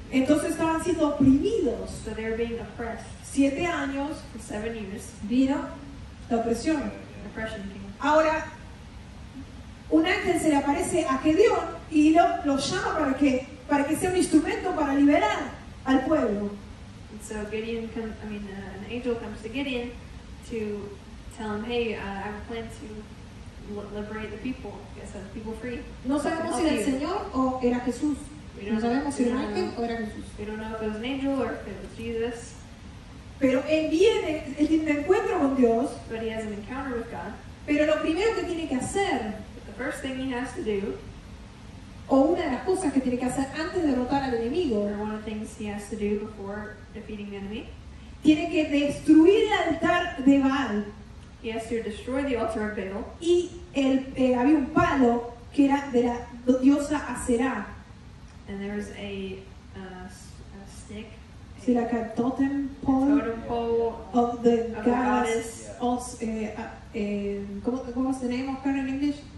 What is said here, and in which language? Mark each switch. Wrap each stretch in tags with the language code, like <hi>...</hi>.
<es>Entonces estaban siendo oprimidos.</es> <en>So they were being oppressed.</en> <es>7 años.</es> <en>For 7 years.</en> <es>Vino la opresión.</es> <en>King.</en> <es>Ahora, un ángel se le aparece a Gedeón y lo llama para que sea un instrumento para liberar al pueblo.</es> <en>And so Gideon, an angel comes to Gideon to tell him, hey, I have a plan to liberate the people, get some people free.</en> <es>No sabemos si era el Señor o era Jesús. No sabemos si era un ángel o era Jesús.</es> <en>We don't know if it was an angel or if it was Jesus.</en> <es>Pero él viene, él tiene un encuentro con Dios.</es> <en>But he has an encounter with God.</en> <es>Pero lo primero que tiene que hacer,</es> <en>the first thing he has to do,</en> <es>o una de las cosas que tiene que hacer antes de derrotar al enemigo,</es> <en>or one of the things he has to do before defeating the enemy,</en> <es>tiene que destruir el altar de Baal.</es> <en>He has to destroy the altar of Baal.</en> <es>Y había un palo que era de la diosa Aserá.</es> <en>And there was a stick. Sí, like a totem pole, of the goddess, what's the name of her in English?</en>